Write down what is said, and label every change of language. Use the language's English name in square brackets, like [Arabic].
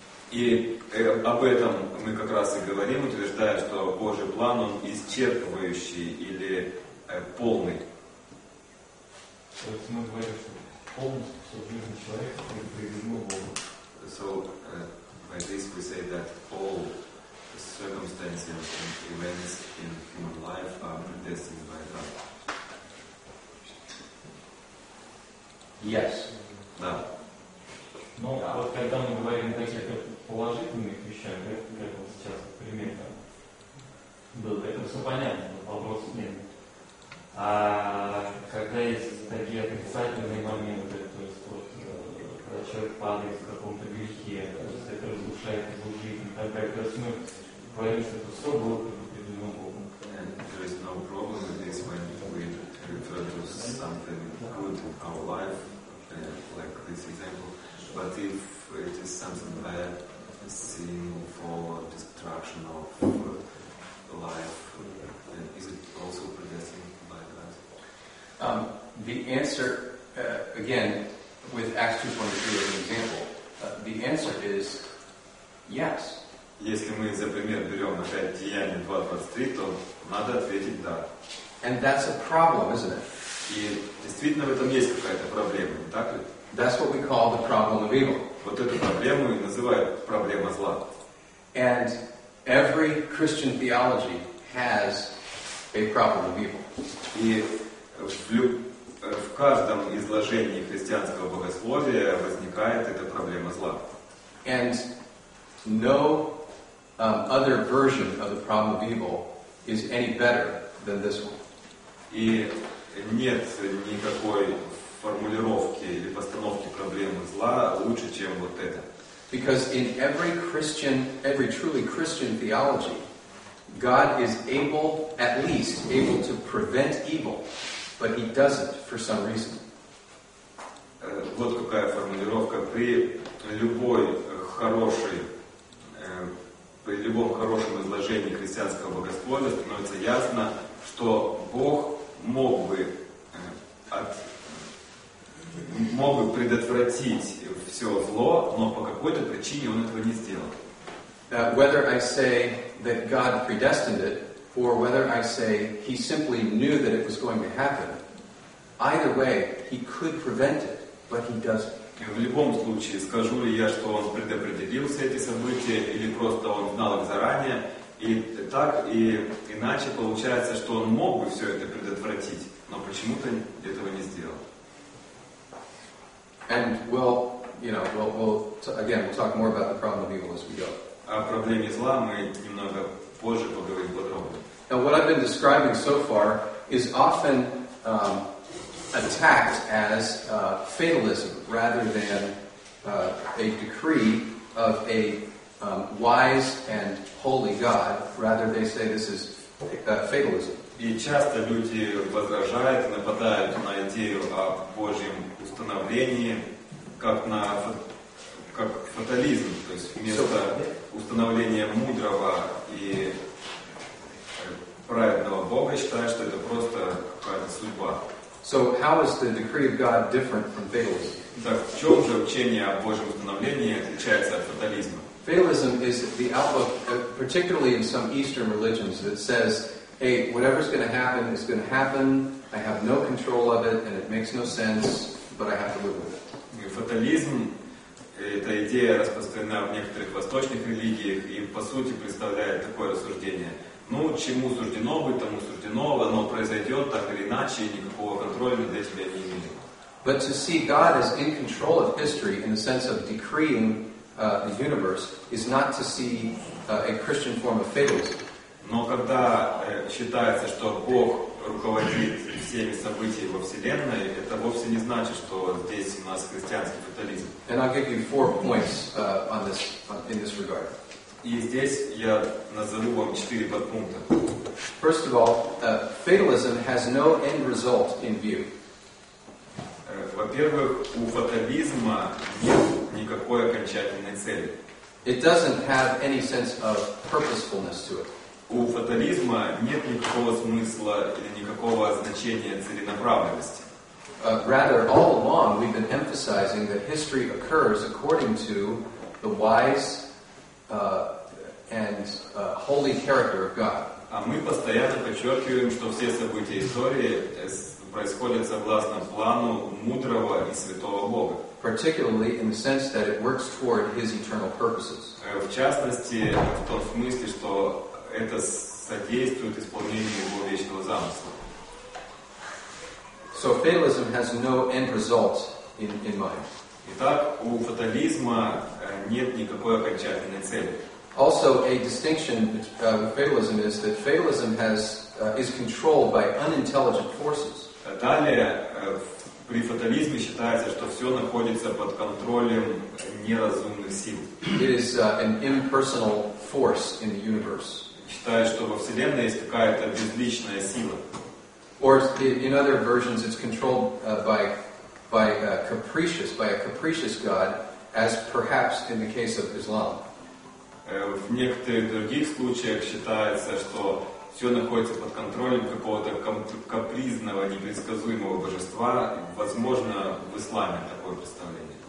[Russian] И об этом мы как раз и говорим, утверждая, что Божий план, он исчерпывающий или полный. То есть мы говорим, что полностью все в жизни человека предопределено Богом. [English] So, by this we say that all circumstances and events in human life are predestined by God. Yes. [Russian] Да. Но вот когда мы говорим о таких положительных вещах, как вот сейчас пример там был, это все понятно, вопрос нет. А когда есть такие отрицательные моменты, то есть вот когда человек падает в каком-то грехе, то есть это разрушает его жизнь, тогда то есть мы говорим, что это все было предопределено Богом. [English] There is no problem with this when we refer to something good in our life. Like this example, but if it is something bad, sin, fall, destruction of life, then is it also predestined by God? The answer, again, with Acts 2.23 as an example, the answer is yes. [Russian] Если мы за пример берем опять Деяния 2.23, то надо ответить да. [English] And that's a problem, isn't it? [Russian] И действительно в этом есть какая-то проблема, не так ли? [English] That's what we call the problem of evil. [Russian] Вот эту проблему и называют проблема зла. [English] And every Christian theology has a problem of evil. [Russian] И в каждом изложении христианского богословия возникает эта проблема зла. [English] And no other version of the problem of evil is any better than this one. [Russian] И нет никакой формулировки или постановки проблемы зла лучше, чем вот это. [English] Because in every truly Christian theology, God is able, at least, able to prevent evil, but He doesn't for some reason. [Russian] Вот какая формулировка. При любой хорошей при любом хорошем изложении христианского богословия становится ясно, что Бог мог бы предотвратить все зло, но по какой-то причине он этого не сделал. [English] Whether I say that God predestined it, or whether I say he simply knew that it was going to happen, either way, he could prevent it, but he doesn't. [Russian] В любом случае, скажу ли я, что он предопределил все эти события, или просто он знал их заранее, и так, и иначе получается, что он мог бы все это предотвратить, но почему-то этого не сделал. [English] And well, you know, again, we'll talk more about the problem of evil as we go. [Russian] О проблеме зла мы немного позже поговорим подробнее. [English] Now, what I've been describing so far is often attacked as fatalism rather than a decree of a wise and holy God. Rather, they say this is fatalism. [Russian] И часто люди возражают, нападают на идею о Божьем установлении как на как фатализм, то есть вместо установления мудрого и праведного Бога считают, что это просто какая-то судьба. [English] So how is the decree of God different from fatalism? [Russian] Так в чем же учение о Божьем установлении отличается от фатализма? [English] Fatalism is the outlook, particularly in some Eastern religions, that says, "Hey, whatever's going to happen is going to happen. I have no control of it, and it makes no sense, but I have to live with it." [Russian] Фатализм – это идея, распространена в некоторых восточных религиях, и по сути представляет такое рассуждение. Ну, чему суждено быть, тому суждено, оно произойдет так или иначе, и никакого контроля над этим я не имею. [English] But to see God as in control of history in the sense of decreeing the universe is not to see a Christian form of fatalism. [Russian] Но когда считается, что Бог руководит всеми событиями во Вселенной, это вовсе не значит, что здесь у нас христианский фатализм. [English] And I'll give you four points on this, in this regard. [Russian] И здесь я назову вам четыре подпункта. [English] First of all, fatalism has no end result in view. [Russian] Во-первых, у фатализма нет никакой окончательной цели. [English] It doesn't have any sense of purposefulness to it. [Russian] У фатализма нет никакого смысла или никакого значения целенаправленности. [English] Rather, all along we've been emphasizing that history occurs according to the wise and holy character of God. [Russian] А мы постоянно подчеркиваем, что все события истории происходят согласно плану мудрого и святого Бога. [English] Particularly in the sense that it works toward His eternal purposes. [Russian] В частности, в том смысле, что это содействует исполнению Его вечного замысла. [English] So fatalism has no end result in mind. [Russian] Итак, у фатализма нет никакой окончательной цели. [English] Also, a distinction with fatalism is that fatalism has is controlled by unintelligent forces. [Russian] Далее, при фатализме считается, что все находится под контролем неразумных сил. [English] It is an impersonal force in the universe. [Russian] Считается, что во Вселенной есть какая-то безличная сила. [English] Or in other versions, it's controlled by a capricious God, as perhaps in the case of Islam. [Russian] В некоторых других случаях считается, что все находится под контролем какого-то капризного, непредсказуемого божества. Возможно, в исламе такое представление.